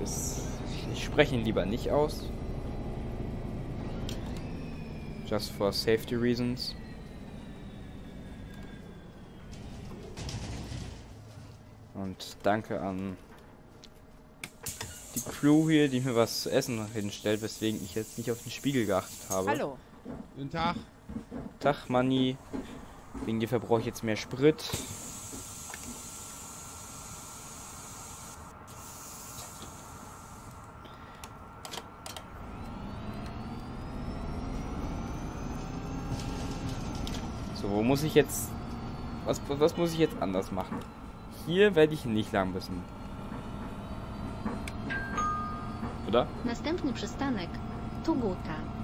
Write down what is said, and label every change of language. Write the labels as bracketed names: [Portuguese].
[German] Ich spreche ihn lieber nicht aus. [English] Just for safety reasons. [German] Und danke an die Crew hier, die mir was zu essen hinstellt, weswegen ich jetzt nicht auf den Spiegel geachtet habe. Hallo. Guten Tag. Tag, Manni. Wegen dir verbrauche ich jetzt mehr Sprit. So, wo muss ich jetzt... Was muss ich jetzt anders machen? Hier werde ich nicht lang müssen. Oder? [Polish] Następny przystanek Tuguta.